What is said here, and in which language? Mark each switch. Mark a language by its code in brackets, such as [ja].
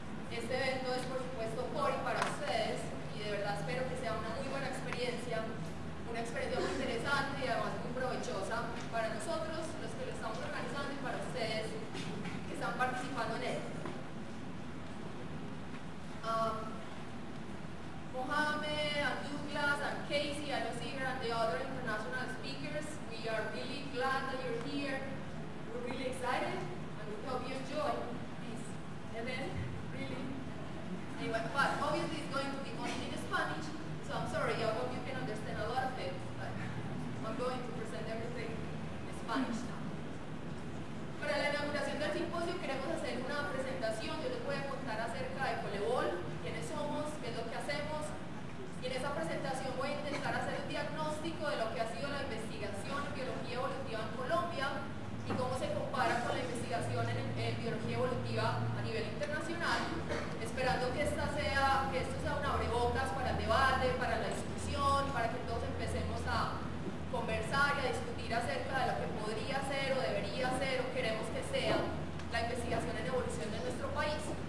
[es] Este evento es, por supuesto, por y para ustedes, y de verdad espero que sea una muy buena experiencia, una experiencia muy interesante y además muy provechosa para nosotros, los que lo estamos organizando, y para ustedes que están participando en él. [en] Mohamed, and Douglas, and Casey, and Lucifer, and the other international speakers, we are really glad that you're here. We're really excited, and we hope you enjoy this event, really. Anyway, but obviously it's going to be only in Spanish, so I'm sorry, I hope you can understand a lot of it, but I'm going to present everything in Spanish now. [es] Para la inauguración del simposio queremos hacer una presentación. Yo les voy a contar acerca de Colebol, quiénes somos, qué es lo que hacemos. Y en esa presentación voy a intentar hacer un diagnóstico de lo que ha sido la investigación en biología evolutiva en Colombia y cómo se compara con la investigación en biología evolutiva a nivel internacional, esperando que esto sea un abrebocas para el debate, para la discusión, para que todos empecemos a conversar y a discutir acerca de lo que podría ser o debería ser o queremos que sea la investigación en evolución de nuestro país.